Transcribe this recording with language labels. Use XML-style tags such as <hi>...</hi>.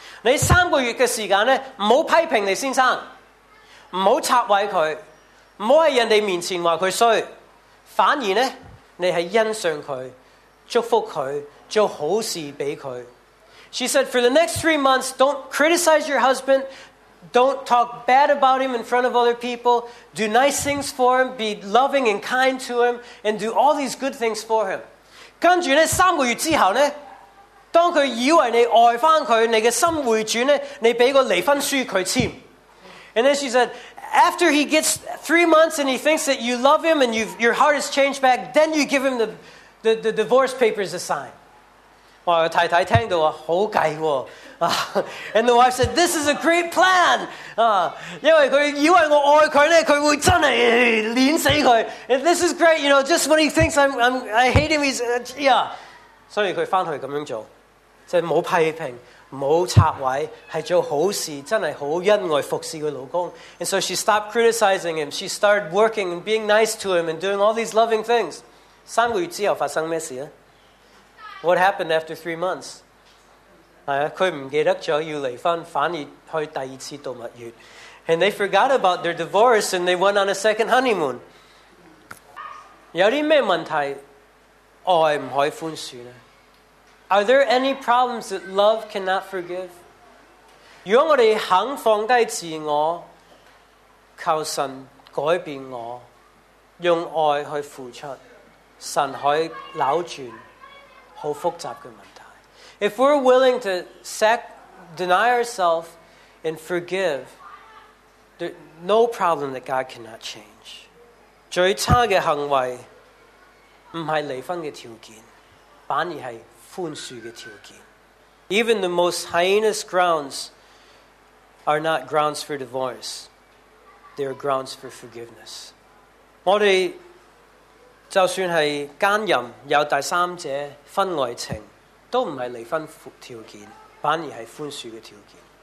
<yue>你三個月嘅時間咧，唔好批評你先生，唔好插位佢，唔好喺人哋面前話佢衰，反而咧，你係欣賞佢，祝福佢，做好事俾佢。</yue> <en>She said, "For the next 3 months, don't criticize your husband. Don't talk bad about him in front of other people. Do nice things for him. Be loving and kind to him. And do all these good things for him."</en> <yue>跟住呢，三个月之后呢，当佢以为你爱返佢，你嘅心回转呢，你俾个离婚书佢签。</yue> <en>And then she said, "After he gets 3 months and he thinks that you love him and your heart has changed back, then you give him the divorce papers to sign."</en> <yue>哇！太太聽到話好計喎、啊、</yue> <en>，and the wife said, "This is a great plan." 啊，</en> <yue>因為佢以為我愛佢咧，佢會真係碾死佢。</yue> <en>And this is great, you know, just when he thinks I hate him, he's.</en> <yue>所以佢翻去咁樣做，即係冇批評，冇插位，係做好事，真係好恩愛服侍佢老公。</yue> <en>And so she stopped criticizing him. She started working and being nice to him and doing all these loving things.</en> <yue>三個月之後發生咩事啊？</yue> <en>What happened after 3 months?</en> <yue>係啊，佢唔記得咗要離婚，反而去第二次度蜜月。</yue> <en>And they forgot about their divorce and they went on a second honeymoon.</en> <yue>有啲咩问题爱唔可以宽恕呢？</yue> <en>Are there any problems that love cannot forgive?</en> <yue>如果我哋肯放低自我，求神改变我，用爱去付出，神可以扭转好复杂嘅问题。</yue> <en>If we're willing to deny ourselves and forgive, there's no problem that God cannot change.</en> <yue>最差嘅行为唔系离婚嘅条件，反而系宽恕嘅条件。</yue> <en>Even the most heinous grounds are not grounds for divorce. They are grounds for forgiveness.</en> <yue>我哋就算系奸淫有第三者婚外情，都唔系离婚条件，反而系宽恕嘅条件。</yue>